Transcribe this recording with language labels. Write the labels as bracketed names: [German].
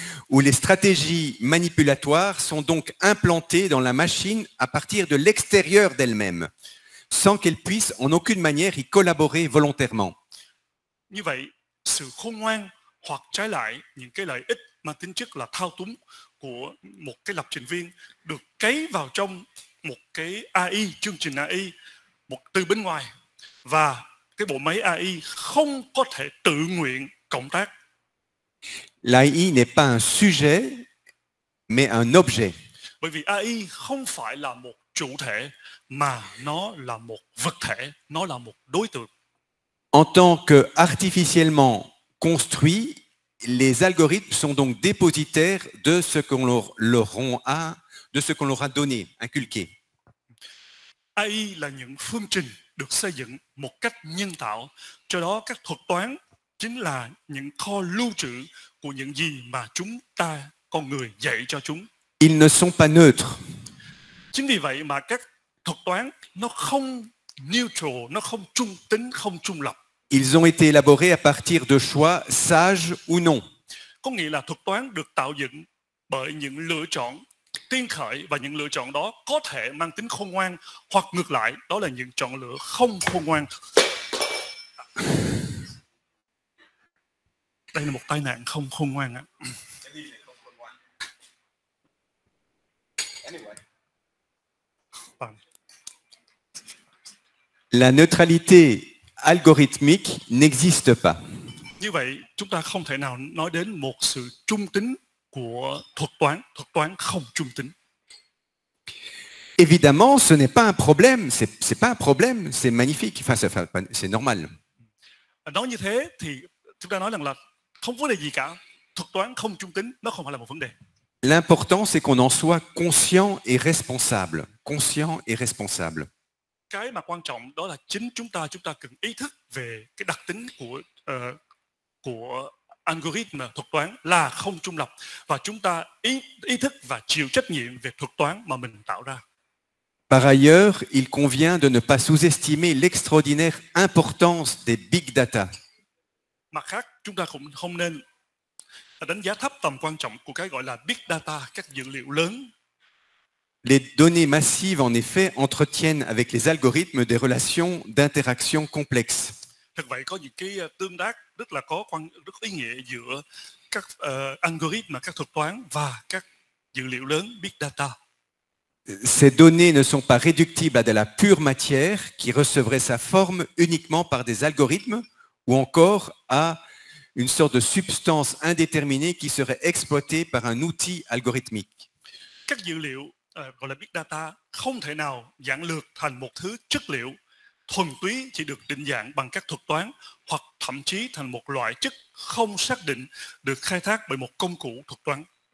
[French] Où les stratégies manipulatoires sont donc implantées dans la machine à partir de l'extérieur d'elle-même, sans qu'elle puisse en aucune manière y collaborer volontairement. [Vietnamese] Như vậy, sự khôn ngoan hoặc trái lại những cái lợi ích mà tính chất là thao túng của một cái lập trình viên được cấy vào trong một cái AI, chương trình AI, một từ bên ngoài, và cái bộ máy AI không có thể tự nguyện cộng tác. [French] L'AI n'est pas un sujet, mais un objet. [Vietnamese] Bởi vì AI không phải là một chủ thể, mà nó là một vật thể, nó là một đối tượng. [French] En tant que artificiellement construit, les algorithmes sont donc dépositaires de ce qu'on leur a donné, inculqué. [Vietnamese] AI là những phương trình được xây dựng một cách nhân tạo, cho đó các thuật toán chính là những kho lưu trữ của những gì mà chúng ta con người dạy cho chúng. [French] Ils ne sont pas neutres. [Vietnamese] Chính vì vậy mà các thuật toán nó không neutral, nó không trung tính, không trung lập. [French] Ils ont été élaborés à partir de choix sages ou non. [Vietnamese] Có nghĩa là thuật toán được tạo dựng bởi những lựa chọn tiên khởi và những lựa chọn đó có thể mang tính khôn ngoan hoặc ngược lại, đó là những chọn lựa không khôn ngoan. Đây là một tai nạn không khôn ngoan ạ. [French] La neutralité algorithmique n'existe pas. [Vietnamese] Như vậy, chúng ta không thể nào nói đến một sự trung tính của thuật toán không trung tính. [French] Évidemment, ce n'est pas un problème, c'est pas un problème, c'est magnifique, enfin, c'est normal. [Vietnamese] Nói như thế thì chúng ta nói rằng là không vấn đề gì cả, thuật toán không trung tính, nó không phải là một vấn đề. [French] L'important, c'est qu'on en soit conscient et responsable. Conscient et responsable. [Vietnamese] Cái mà quan trọng đó là chính chúng ta cần ý thức về cái đặc tính của algorithm thuật toán là không trung lập, và chúng ta ý thức và chịu trách nhiệm về thuật toán mà mình tạo ra. [French] Par ailleurs, il convient de ne pas sous-estimer l'extraordinaire importance des big data. [Vietnamese] Mặt khác, chúng ta cũng không nên đánh giá thấp tầm quan trọng của cái gọi là big data, các dữ liệu lớn. [French] Les données massives, en effet, entretiennent avec les algorithmes des relations d'interaction complexes. [Vietnamese] Thật vậy, có những cái tương tác rất là có quan, rất ý nghĩa giữa các algorithmes, các thuật toán và các dữ liệu lớn, big data. [French] Ces données ne sont pas réductibles à de la pure matière qui recevrait sa forme uniquement par des algorithmes ou encore à une sorte de substance indéterminée qui serait exploitée par un outil algorithmique. [Vietnamese] Các dữ liệu gọi là big data không thể nào giản lược thành một thứ chất liệu thuần túy chỉ được định dạng bằng các thuật toán, hoặc thậm chí thành một loại chất không xác định được khai thác bởi một công cụ thuật toán.